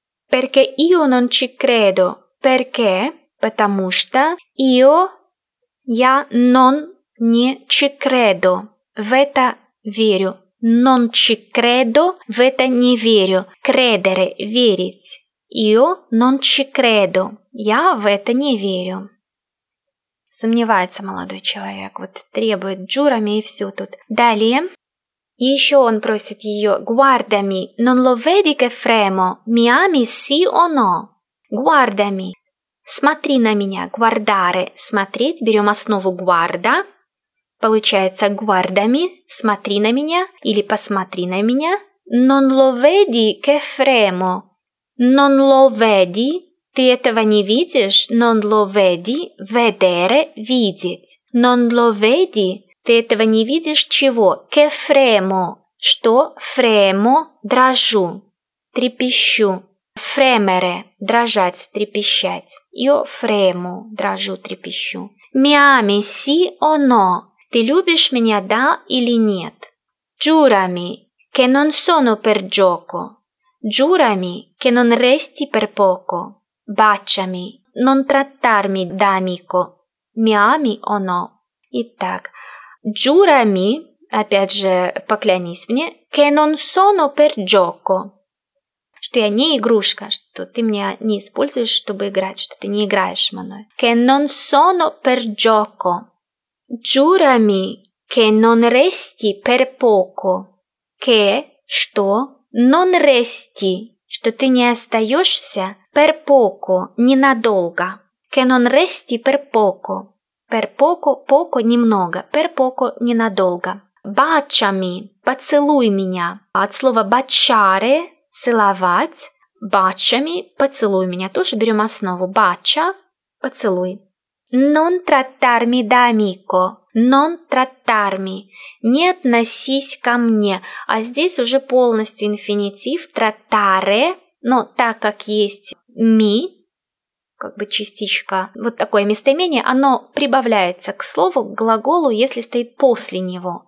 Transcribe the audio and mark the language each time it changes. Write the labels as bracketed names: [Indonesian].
[Italian] «Перке ио нон чи кредо» – «перке» – [Russian] «потому что» [Italian] – «ио» – [Russian] «Я [Italian] non [Russian] не [Italian] ci credo», [Russian] «в это верю», [Italian] «non ci credo», [Russian] «в это не верю», [Italian] «credere» – [Russian] «верить», [Italian] «io non ci credo», [Russian] «я в это не верю». Сомневается молодой человек, вот требует [Italian] «джурами» [Russian] и все тут. Далее, еще он просит ее [Italian] «guardami», «non lo vedi che fremo», «mi ami sì o no», «guardami». [Russian] «Смотри на меня», [Italian] «guardare», [Russian] «смотреть», берем основу [Italian] «guarda», [Russian] получается [Italian] «guardami», [Russian] «смотри на меня» или «посмотри на меня». [Italian] «Non lo vedi che fremo», «non lo vedi», [Russian] «ты этого не видишь», [Italian] «non lo vedi», «vedere», [Russian] «видеть», [Italian] «non lo vedi», «ты этого не видишь», [Russian] «чего», [Italian] «che fremo», [Russian] «что», [Italian] «fremo», [Russian] «дрожу», «трепещу», [Italian] «fremere», [Russian] «дрожать», «трепещать». [Italian] Io fremo, [Russian] дрожу, трепещу. [Italian] Mi ami, sì o no? [Russian] Ты любишь меня, да или нет? [Italian] Giurami, che non sono per gioco. Giurami, che non resti per poco. Baciami, non trattarmi da amico. Mi ami o no? [Russian] Итак, [Italian] giurami, [Russian] опять же, поклянись мне, [Italian] che non sono per gioco. [Russian] Что я не игрушка, что ты меня не используешь, чтобы играть, что ты не играешь мной. [Italian] Che non sono per gioco. Giurami che non resti per poco. Che, [Russian] что, [Italian] non resti, [Russian] что ты не остаешься, [Italian] per poco, [Russian] ненадолго. [Italian] Che non resti per poco. Per poco, poco, [Russian] немного. [Italian] Per poco, [Russian] ненадолго. [Italian] Baciami, [Russian] поцелуй меня. От слова [Italian] baciare... [Russian] целовать, [Italian] бачами, [Russian] поцелуй меня, тоже берем основу, [Italian] бача, [Russian] поцелуй. [Italian] Non trattarmi da amico, non trattarmi, [Russian] не относись ко мне, а здесь уже полностью инфинитив, [Italian] trattare, [Russian] но так как есть mi, как бы частичка, вот такое местоимение, оно прибавляется к слову, к глаголу, если стоит после него.